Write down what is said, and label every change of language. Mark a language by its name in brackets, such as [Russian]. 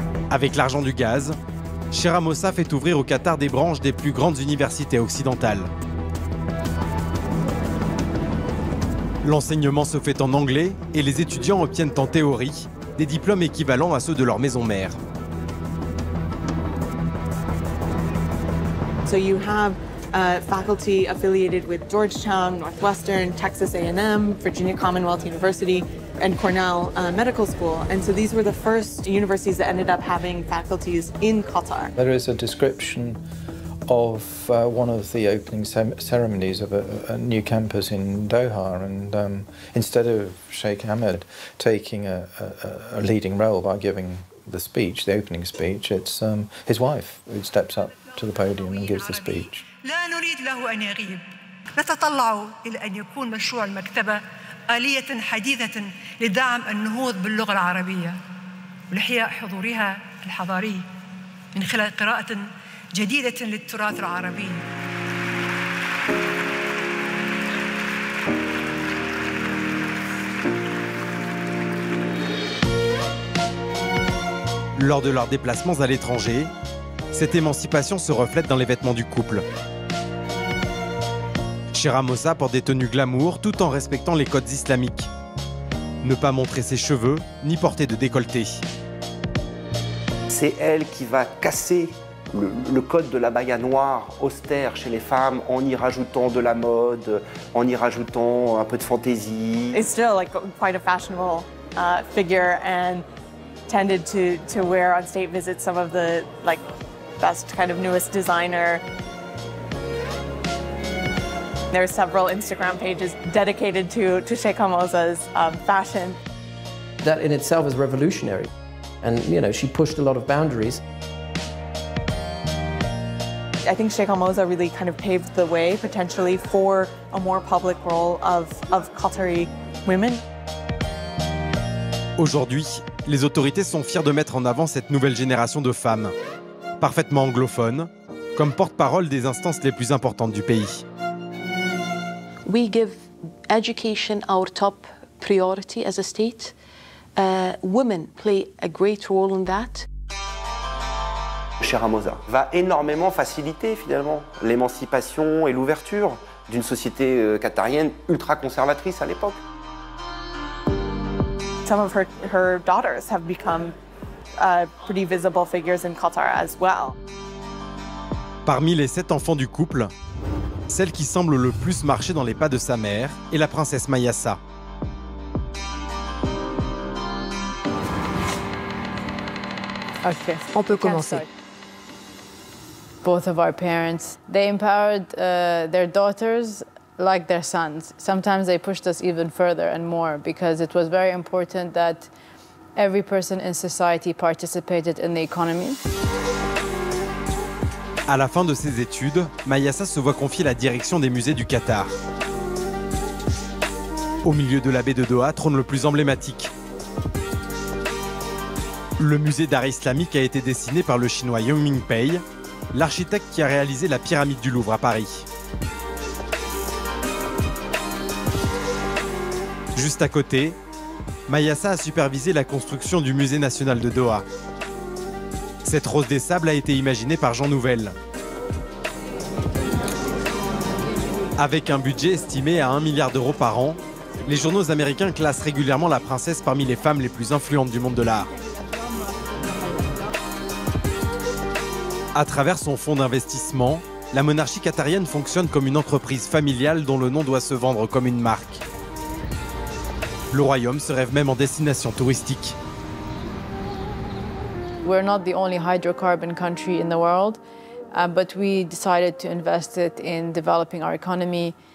[French] Avec l'argent du gaz, Shera Mossa fait ouvrir au Qatar des branches des plus grandes universités occidentales. L'enseignement se fait en anglais et les étudiants obtiennent en théorie des diplômes équivalents à ceux de leur maison mère. [English] So you have faculty affiliated with Georgetown, Northwestern, Texas A&M, Virginia Commonwealth University. And Cornell Medical School. And so these were the first universities that ended up having faculties in Qatar. There is a description of one of the opening ceremonies of a new campus in Doha. And instead of Sheikh Ahmed taking a leading role by giving the speech, the opening speech, it's his wife who steps up to the podium and gives the speech. [Arabic] آلية حديثة لدعم النهوض باللغة العربية ولإحياء حضورها الحضاري من خلال قراءة جديدة للتراث العربي. [French] Lors de leurs déplacements à l'étranger, cette émancipation se reflète dans les vêtements du couple. Shera Mossa porte des tenues glamour tout en respectant les codes islamiques. Ne pas montrer ses cheveux, ni porter de décolleté. C'est elle qui va casser le code de la baya noire austère chez les femmes en y rajoutant de la mode, en y rajoutant un peu de fantaisie. [English] It's still like quite a fashionable figure and tended to wear on state visits some of the like best kind of newest designer. There are several Instagram pages dedicated to Sheikha Mosa's fashion. That in itself is revolutionary. And, you know, she pushed a lot of boundaries. I think Sheikh Al-Mouza really kind of paved the way potentially for a more public role of Qatari women. [French] Aujourd'hui, les autorités sont fiers de mettre en avant cette nouvelle génération de femmes, parfaitement anglophones, comme porte-parole des instances les plus importantes du pays. [English] We give education our top priority as a state. Women play a great role in that. [French] Sheikh Al-Mouza va énormément faciliter finalement l'émancipation et l'ouverture d'une société qatarienne ultra conservatrice à l'époque. [English] Some of her daughters have become pretty visible figures in Qatar as well. [French] Parmi les 7 enfants du couple, celle qui semble le plus marcher dans les pas de sa mère est la princesse Mayasa. Okay, on peut commencer. [English] Both of our parents, they empowered their daughters like their sons. Sometimes they pushed us even further and more because it was very important that every person in society participated in the economy. [French] À la fin de ses études, Mayasa se voit confier la direction des musées du Qatar. Au milieu de la baie de Doha trône le plus emblématique. Le musée d'art islamique a été dessiné par le chinois Yong Ming Pei, l'architecte qui a réalisé la pyramide du Louvre à Paris. Juste à côté, Mayasa a supervisé la construction du musée national de Doha. Cette rose des sables a été imaginée par Jean Nouvel. Avec un budget estimé à 1 milliard d'euros par an, les journaux américains classent régulièrement la princesse parmi les femmes les plus influentes du monde de l'art. À travers son fonds d'investissement, la monarchie qatarienne fonctionne comme une entreprise familiale dont le nom doit se vendre comme une marque. Le royaume se rêve même en destination touristique. [English] We're not the only hydrocarbon country in the world, but we decided to invest it in developing our economy.